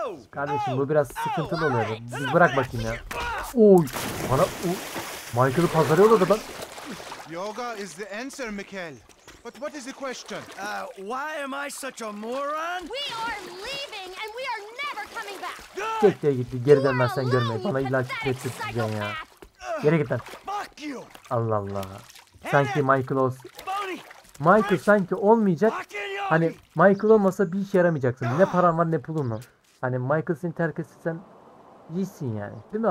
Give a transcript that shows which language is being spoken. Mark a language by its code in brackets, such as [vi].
[tr] Kardeşim bu biraz sıkıntılı oluyor. Bırak bakayım ya. Oy bana Michael'ı pazarıyorlar da ben. [en] Yoga is the answer Mikel. But what is the question? Why am I such a moron? We are leaving and we are never coming back. Good. [tr] Geri gitti. Geri dönmezsen görmeyi. Bana ilaç getirtireceksin ya. Geri git lan. [en] Fuck you. [tr] Allah Allah. Sanki Michael olsun. Michael sanki olmayacak. Hani Michael olmasa bir işe yaramayacaksın. Ne paran var ne pulun var. Hani Michael seni terk etsen iyisin yani. Değil mi?